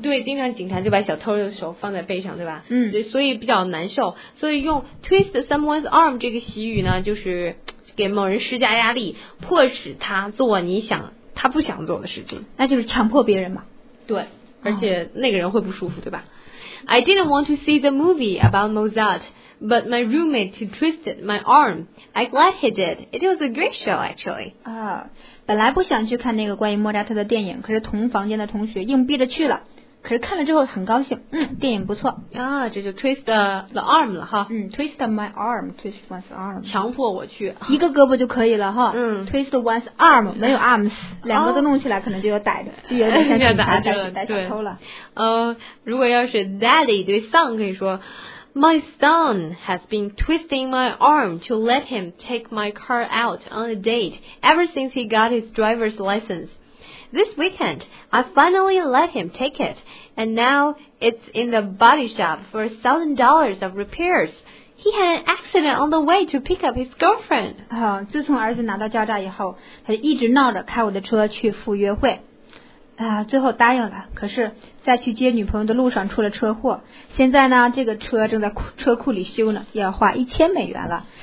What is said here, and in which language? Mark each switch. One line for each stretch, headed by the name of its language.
Chinese: 对，经常警察就把小偷的手放在背上，对吧？所以比较难受。所以用
English: twist someone's arm
Chinese: 这个习语呢，就是给某人施加压力，迫使他做你想他不想做的事情。那就是强迫别人嘛。对，而且那个人会不舒服，对吧？
English: I didn't want to see the movie about Mozart, but my roommate twisted my arm. I glad he did. It was a great show, actually.
Chinese: 本来不想去看那个关于莫扎特的电影，可是同房间的同学硬逼着去了。可是看了之后很高兴，电影不错。这就
English: twist the arm
Chinese: 了哈。
English: Twist my arm, twist one's arm.
Chinese: 强迫我去。一个胳膊就可以了哈。
English: Twist one's arm,
Chinese: 没有 arms,两个都弄起来可能就有逮着，就有点像警察逮小偷了。如果要是 daddy 对 son 可以说
English: ,my son has been twisting my arm to let him take my car out on a date ever since he got his driver's license. This weekend, I finally let him take it, and now it's in the body shop for $1,000 of repairs. He had an accident on the way to pick up his girlfriend.
Chinese: 自从儿子拿到驾照以后，他就一直闹着开我的车去赴约会。最后答应了，可是在去接女朋友的路上出了车祸。现在呢，这个车正在车库里修呢，要花$1,000了。